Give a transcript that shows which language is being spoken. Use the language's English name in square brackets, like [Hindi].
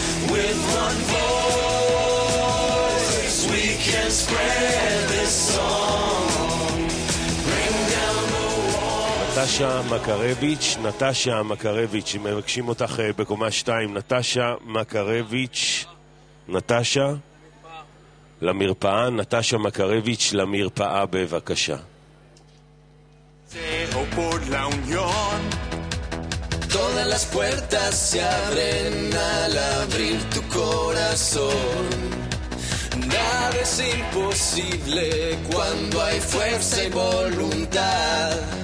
[English] With one voice we can spread this song. Bring down the walls. [Hebrew] Natasha Makarevich, Natasha Makarevich, מבקשים אותך בקומה 2, Natasha Makarevich, Natasha למרפאה, נטשה מקרביץ' למרפאה בבקשה. [Spanish] Por la unión. Todas las puertas se abren al abrir tu corazón. Nada es imposible cuando hay fuerza y voluntad.